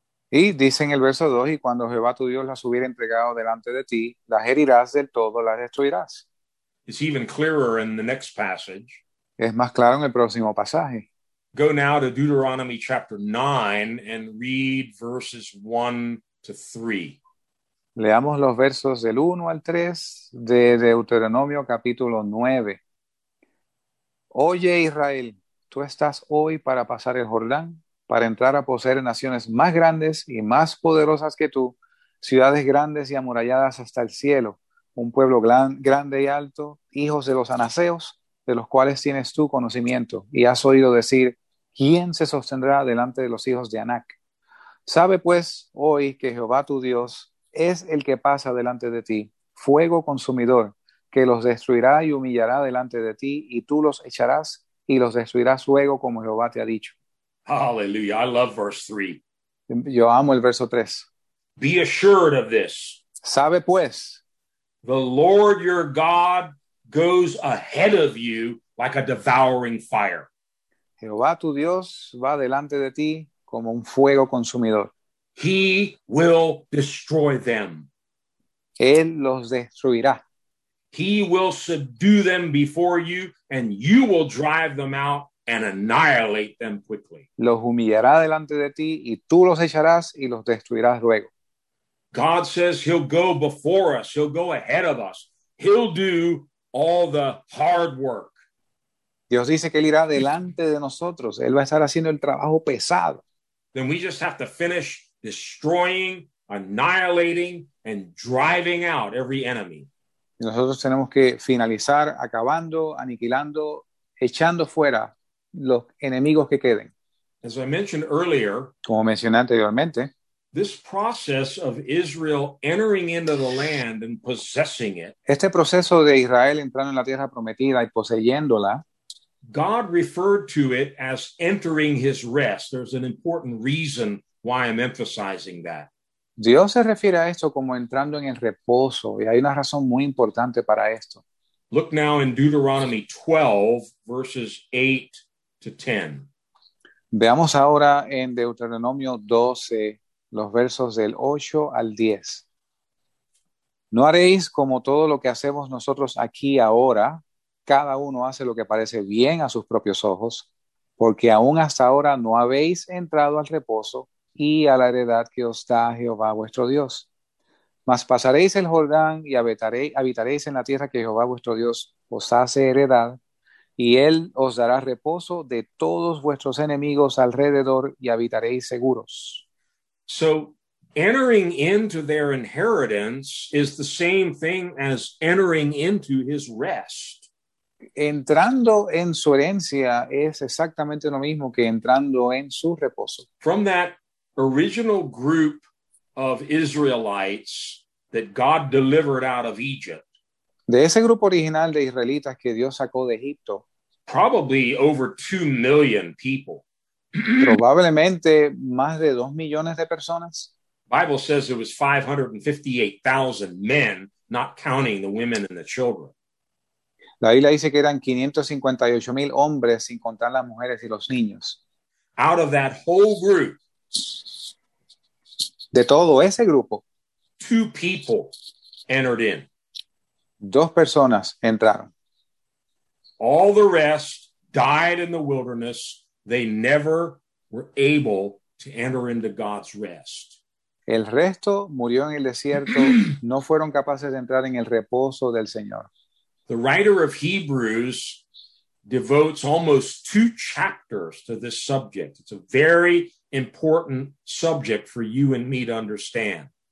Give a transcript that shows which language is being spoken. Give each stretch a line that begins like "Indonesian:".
Spanish: Y dice en el verso 2, y cuando Jehová tu Dios las hubiera entregado delante de ti, las herirás del todo, las destruirás.
English: It's even clearer in the next passage.
Spanish: Es más claro en el próximo pasaje.
English: Go now to Deuteronomy chapter 9 and read verses 1 to 3.
Spanish: Leamos los versos del 1 al 3 de Deuteronomio capítulo 9. Oye, Israel, tú estás hoy para pasar el Jordán, para entrar a poseer naciones más grandes y más poderosas que tú, ciudades grandes y amuralladas hasta el cielo, un pueblo grande y alto, hijos de los anaseos, de los cuales tienes tú conocimiento, y has oído decir, ¿quién se sostendrá delante de los hijos de Anac? Sabe pues hoy que Jehová tu Dios es el que pasa delante de ti, fuego consumidor, que los destruirá y humillará delante de ti, y tú los echarás y los destruirás luego, como Jehová te ha dicho.
English: Hallelujah. I love verse 3.
Spanish: Yo amo el verso 3.
English: Be assured of this.
Spanish: Sabe pues.
English: The Lord your God goes ahead of you like a devouring fire.
Spanish: Jehová tu Dios va delante de ti como un fuego consumidor.
English: He will destroy them.
Spanish: Él los destruirá.
English: He will subdue them before you, and you will drive them out and annihilate them quickly.
Spanish: Los humillará delante de ti, y tú los echarás y los destruirás luego.
English: God says he'll go before us. He'll go ahead of us. He'll do all the hard work.
Spanish: Dios dice que él irá delante de nosotros. Él va a estar haciendo el trabajo pesado.
English: Then we just have to finish destroying, annihilating, and driving out every enemy.
Spanish: Nosotros tenemos que finalizar acabando, aniquilando, echando fuera los enemigos que queden.
English: As I mentioned earlier,
Spanish: como mencioné anteriormente,
English: this process of Israel entering into the land and possessing it,
Spanish: este proceso de Israel entrando en la tierra prometida y poseyéndola,
English: God referred to it as entering his rest. There's an important reason why I'm emphasizing that.
Spanish: Dios se refiere a esto como entrando en el reposo, y hay una razón muy importante para esto.
English: Look now in Deuteronomy 12, verses 8 to 10.
Spanish: Veamos ahora en Deuteronomio 12, los versos del 8 al 10. No haréis como todo lo que hacemos nosotros aquí ahora, cada uno hace lo que parece bien a sus propios ojos, porque aún hasta ahora no habéis entrado al reposo y a la heredad que os da Jehová vuestro Dios. Mas pasaréis el Jordán y habitaréis en la tierra que Jehová vuestro Dios os hace heredad, y él os dará reposo de todos vuestros enemigos alrededor y habitaréis seguros.
English: So, entering into their inheritance is the same thing as entering into his rest.
Spanish: Entrando en su herencia es exactamente lo mismo que entrando en su reposo.
English: From that original group of Israelites that God delivered out of Egypt.
Spanish: De ese grupo original de israelitas que Dios sacó de Egipto.
English: Probably over 2 million people.
Spanish: Probablemente más de 2 millones de personas.
English: Bible says it was 558,000 men, not counting the women and the children.
Spanish: La Biblia dice que eran 558,000 hombres sin contar las mujeres y los niños.
English: Out of that whole group.
Spanish: De todo ese grupo.
English: 2 people entered in.
Spanish: 2 personas entraron.
English: All the rest died in the wilderness. They never were able to enter into God's rest.
Spanish: El resto murió en el desierto. No fueron capaces de entrar en el reposo del Señor.
English: The writer of Hebrews devotes almost 2 chapters to this subject. It's a very important subject for you and me to understand.